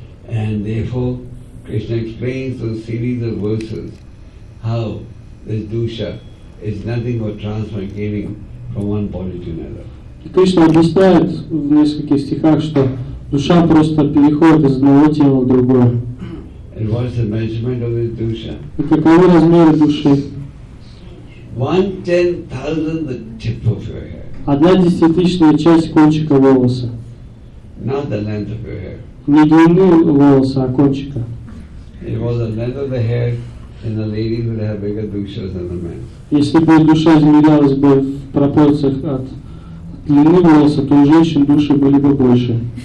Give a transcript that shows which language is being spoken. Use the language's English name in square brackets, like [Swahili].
[English] And therefore, Krishna explains in a series of verses how this dusha is nothing but transmigrating from one body to another. [Russian] Кришна объясняет в нескольких стихах, что душа просто переходит из одного тела в другое. [English] And what is the measurement of this dusha? [Russian] И каковы размеры души? [English] 1/10,000 the tip of your hair. [Russian] Одна десятитысячная часть кончика волоса. [English] Not the length of your hair. [Russian] Не длины волоса, а кончика. [English] If it was the length of the hair, then the lady would have bigger dushas than the man. [Russian] Если бы душа измерялась бы в пропорциях от длины волоса, то у женщин души были бы больше.